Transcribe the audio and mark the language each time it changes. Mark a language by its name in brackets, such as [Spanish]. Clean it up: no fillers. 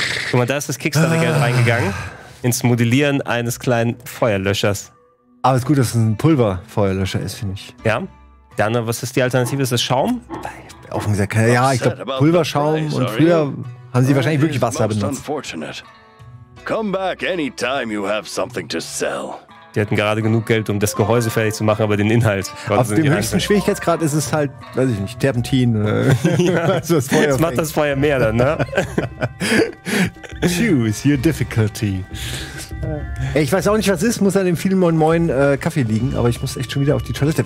[German] Guck mal, da ist das Kickstarter-Geld reingegangen. Ins Modellieren eines kleinen Feuerlöschers. Aber ist gut, dass es ein Pulver-Feuerlöscher ist, finde ich. Ja. Dann, was ist die Alternative? Ist das Schaum? Offen gesagt, ja, ich glaube, Pulverschaum. Und früher haben sie wahrscheinlich wirklich Wasser benutzt. [English] Come back anytime you have something to sell. [German] Die hatten gerade genug Geld, um das Gehäuse fertig zu machen, aber den Inhalt. Auf dem höchsten Schwierigkeitsgrad ist es halt, weiß ich nicht, Terpentin. Ja. Das Feuer jetzt macht das Feuer mehr dann, ne? [English] Choose your difficulty. [German] Ey, ich weiß auch nicht, was ist, muss an dem vielen Moin Moin Kaffee liegen, aber ich muss echt schon wieder auf die Toilette.